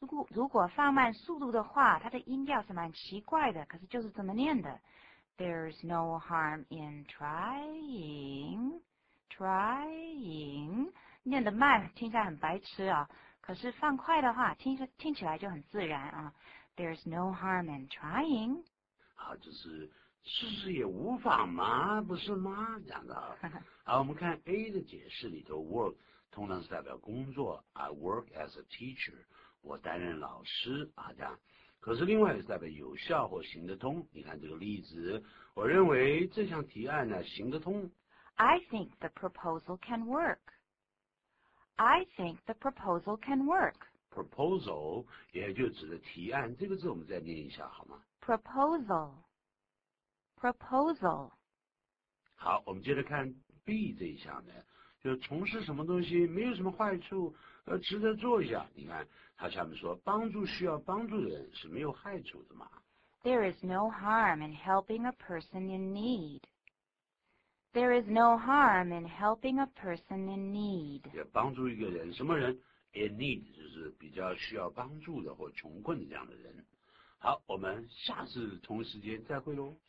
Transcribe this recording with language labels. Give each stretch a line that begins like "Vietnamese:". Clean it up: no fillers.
Chinese: 如果放慢速度的话，它的音调是蛮奇怪的，可是就是这么念的。
English: There's no harm in trying, trying.
Chinese: 念得慢，听起来很白痴啊、哦。可是放快的话，听起来就很自然啊。
English: There's no harm in trying.
Chinese: 好，就是试试也无妨嘛，不是吗？讲的。好，我们看 A 的解释里头 ，work 通常是代表工作。
English: I work as a teacher.
Chinese: 我担任老师啊，这样。可是另外是代表有效或行得通。你看这个例子，我认为这项提案呢行得通。
English: I think the proposal can work. I think the proposal can work.
Chinese: Proposal 也就指的提案，这个字我们再念一下好吗
English: ？Proposal. Proposal.
Chinese: 好，我们接着看 B 这一项呢。就从事什么东西没有什么坏处，值得做一下。你看，他下面说，帮助需要帮助的人是没有害处的嘛。
English: There is no harm in helping a person in need. There is no harm in helping a person in need.
Chinese: 要帮助一个人，什么人 ？In need 就是比较需要帮助的或穷困的这样的人。好，我们下次同时间再会喽。